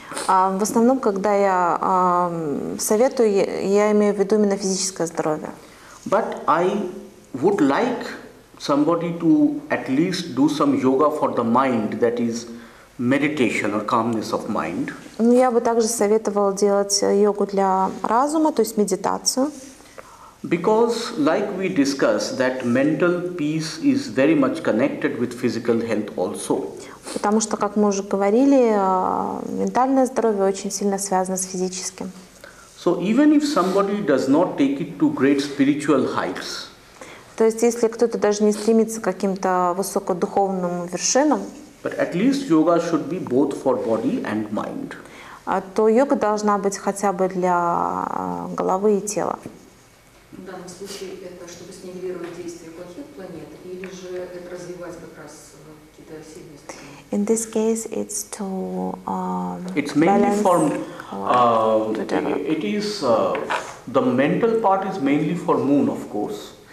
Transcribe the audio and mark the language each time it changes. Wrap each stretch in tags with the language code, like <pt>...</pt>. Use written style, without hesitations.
<ru>В основном, когда я советую, я имею в виду именно физическое здоровье.</ru> <en>But I would like somebody to at least do some yoga for the mind, that is meditation or calmness of mind.</en> <ru>Ну, я бы также советовала делать йогу для разума, то есть медитацию.</ru> <en>Because, like we discussed, that mental peace is very much connected with physical health also.</en> <ru>Потому что, как мы уже говорили, ментальное здоровье очень сильно связано с физическим.</ru> <en>So even if somebody does not take it to great spiritual heights.</en> <ru>То есть, если кто-то даже не стремится к каким-то высокодуховным вершинам.</ru> <en>But at least yoga should be both for body and mind.</en> <ru>То йога должна быть хотя бы для головы и тела. В данном случае это чтобы снивелировать действия плохих планет или же это развивать как раз какие-то сильные стороны?</ru> <en>In this case, it's to it's mainly for the mental part is mainly for moon, of course.</en>